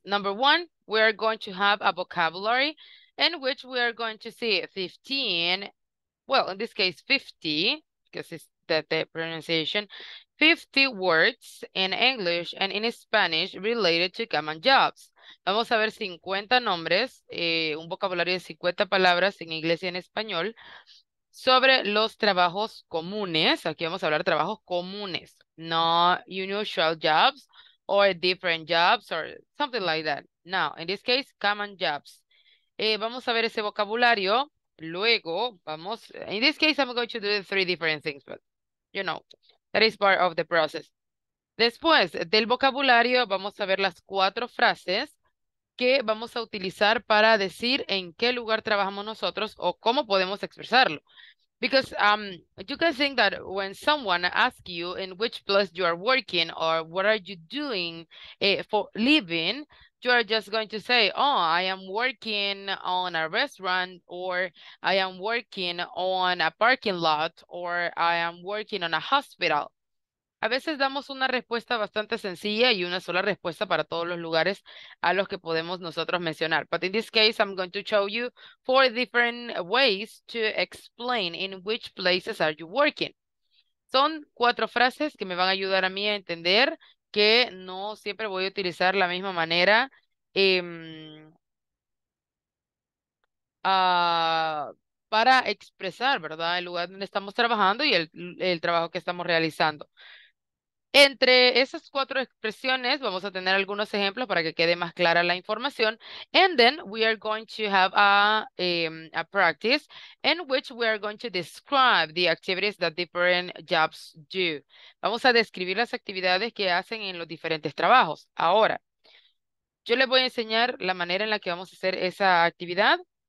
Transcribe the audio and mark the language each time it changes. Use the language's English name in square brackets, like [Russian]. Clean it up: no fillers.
[English] Number one, we are going to have a vocabulary in which we are going to see 15, well, in this case, 50, because it's the pronunciation, 50 words in English and in Spanish related to common jobs. [Spanish] Vamos a ver 50 nombres, un vocabulario de 50 palabras en inglés y en español, sobre los trabajos comunes. Aquí vamos a hablar de trabajos comunes, [English] not unusual jobs or different jobs or something like that. Now, in this case, common jobs. [Spanish] Vamos a ver ese vocabulario. Luego, vamos, [English] in this case, I'm going to do three different things, but, you know, that is part of the process. [Spanish] Después del vocabulario, vamos a ver las cuatro frases que vamos a utilizar para decir en qué lugar trabajamos nosotros o cómo podemos expresarlo. [English] Because you can think that when someone asks you in which place you are working or what are you doing for living, you are just going to say, oh, I am working on a restaurant, or I am working on a parking lot, or I am working on a hospital. [Spanish] A veces damos una respuesta bastante sencilla y una sola respuesta para todos los lugares a los que podemos nosotros mencionar. [English] But in this case, I'm going to show you four different ways to explain in which places are you working. [Spanish] Son cuatro frases que me van a ayudar a mí a entender que no siempre voy a utilizar la misma manera para expresar, ¿verdad? El lugar donde estamos trabajando y el trabajo que estamos realizando. Entre esas cuatro expresiones, vamos a tener algunos ejemplos para que quede más clara la información. [English] And then we are going to have a practice in which we are going to describe the activities that different jobs do. [Spanish] Vamos a describir las actividades que hacen en los diferentes trabajos. Ahora, yo les voy a enseñar la manera en la que vamos a hacer esa actividad.